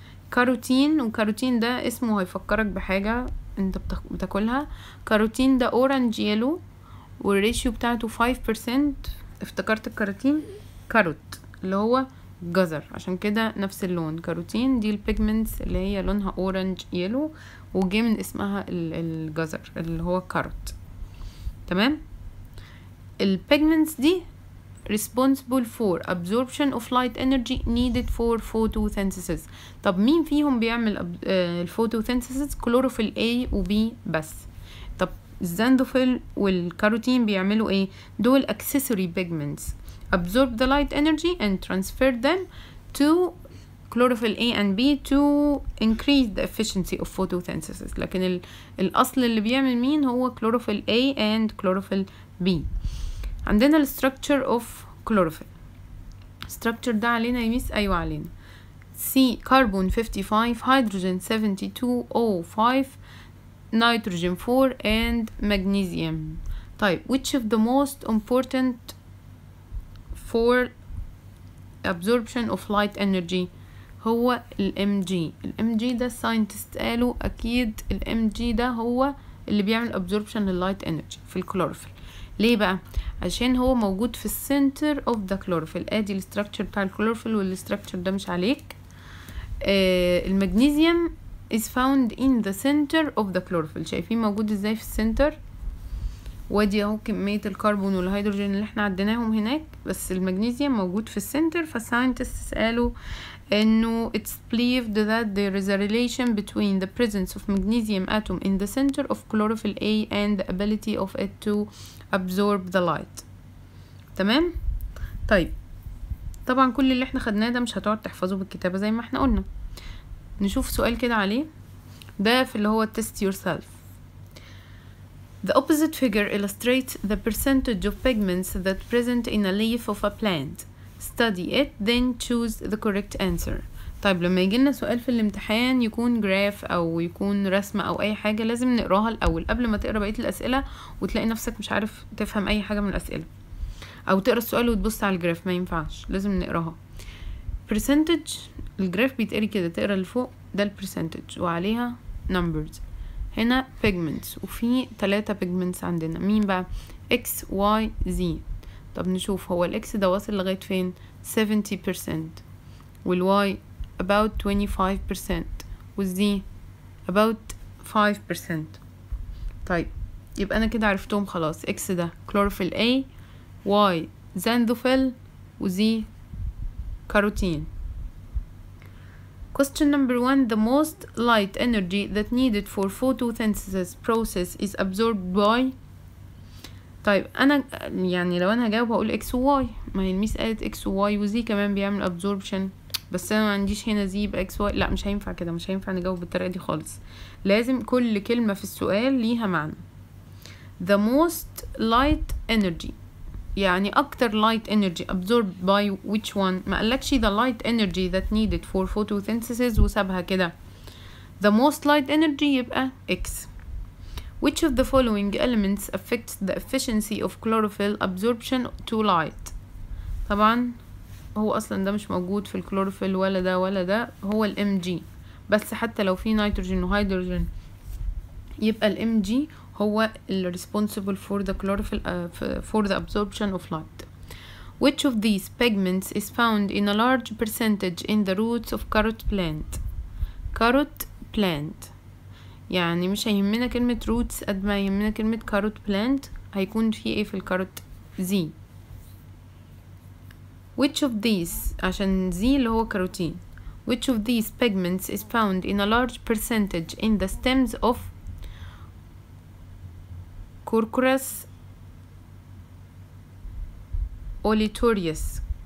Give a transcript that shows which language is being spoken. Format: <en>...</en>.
<ar>كاروتين، وكاروتين ده اسمه هيفكرك بحاجة انت بتاكلها، كاروتين ده اورنج يلو والريشيو بتاعته 5%. افتكرت الكاروتين، كاروت اللي هو جزر، عشان كده نفس اللون كاروتين. دي البيجمنتس اللي هي لونها اورنج يلو وجي من اسمها الجزر اللي هو كاروت. تمام. البيجمنتس دي</ar> <en>responsible for absorption of light energy needed for photosynthesis.</en> <ar>طب مين فيهم بيعمل الفوتوسينثيسيس؟ كلوروفيل A و B بس. الزاندوفيل والكاروتين بيعملوا ايه؟ دول</ar> <en>accessory pigments absorb the light energy and transfer them to chlorophyll A and B to increase the efficiency of photosynthesis.</en> <ar>لكن الاصل اللي بيعمل مين؟ هو</ar> <en>chlorophyll A and chlorophyll B.</en> <ar>عندنا ال</ar> <en>structure of chlorophyll.</en> <ar>structure ده علينا يميس؟ ايوه علينا.</ar> <en>C carbon 55 hydrogen 72 O5 nitrogen 4 and magnesium.</en> <ar>طيب</ar> <en>which of the most important for absorption of light energy؟</en> <ar>هو ال MG. ال MG ده scientist قالوا اكيد ال MG ده هو اللي بيعمل absorption للlight energy في الكلوروفيل. ليه بقى؟ عشان هو موجود في</ar> <en>center of the chlorophyll.</en> <ar>ادي الstructure بتاع الكلوروفيل والstructure ده مش عليك.</ar> <en>المغنيسيوم is found in the center of the chlorophyll.</en> <ar>شايفين موجود ازاي في السنتر؟ ودي اهو كمية الكربون والهيدروجين اللي احنا عديناهم هناك، بس المغنيسيوم موجود في السنتر. فساينتستس قالوا انه</ar> <en>it's believed that there is a relation between the presence of magnesium atom in the center of chlorophyll A and the ability of it to absorb the light.</en> <ar>تمام. طيب طبعا كل اللي احنا خدناه ده مش هتقعد تحفظه بالكتابة زي ما احنا قلنا. نشوف سؤال كده عليه، ده في اللي هو test yourself.</ar> <en>The opposite figure illustrates the percentage of pigments that present in a leaf of a plant. Study it, then choose the correct answer.</en> <ar>طيب لما يجي لنا سؤال في الامتحان يكون جراف او يكون رسمة او اي حاجة لازم نقراها الاول قبل ما تقرأ بقية الاسئلة وتلاقي نفسك مش عارف تفهم اي حاجة من الاسئلة او تقرأ السؤال وتبص على الجراف ما ينفعش لازم نقراها. Percentage الجراف بيتقري كده تقرأ لفوق ده percentage وعليها numbers هنا pigments وفي 3 pigments عندنا مين بقى x y z. طب نشوف هو الاكس ده واصل لغاية فين 70% والواي about 25% والزي about 5%. طيب يبقى انا كده عرفتهم خلاص x ده chlorophyll A y xanthophyll وزي كاروتين.</ar> <en>Question number one, the most light energy that needed for photosynthesis process is absorbed by.</en> <ar>طيب انا يعني لو انا هجاوب هقول x و y ما هي الميس قالت x و y وزي كمان بيعمل absorption بس انا ما عنديش هنا زي بx y لا مش هينفع كده مش هينفع نجاوب بالطريقة دي خالص لازم كل كلمة في السؤال ليها معنى.</ar> <en>The most light energy</en> <ar>يعني اكتر</ar> <en>light energy absorbed by which one</en> <ar>ما قالكش</ar> <en>the light energy that needed for photosynthesis</en> <ar>وسابها كده.</ar> <en>The most light energy يبقى x. Which of the following elements affects the efficiency of chlorophyll absorption to light.</en> <ar>طبعا هو اصلا ده مش موجود في الكلوروفيل ولا ده ولا ده هو الام جي بس حتى لو في نيتروجين وهيدروجين يبقى الام جي هو</ar> <en>الريسبونسبل for the chlorophyll for the absorption of light. Which of these pigments is found in a large percentage in the roots of carrot plant. Carrot plant</en> <ar>يعني مش هيهمنا كلمه roots قد ما يهمنا كلمه carrot plant هيكون في ايه في الكاروت زي.</ar> <en>Which of these</en> <ar>عشان Z اللي هو كاروتين.</ar> <en>Which of these pigments is found in a large percentage in the stems of Corchorus olitorius.</en>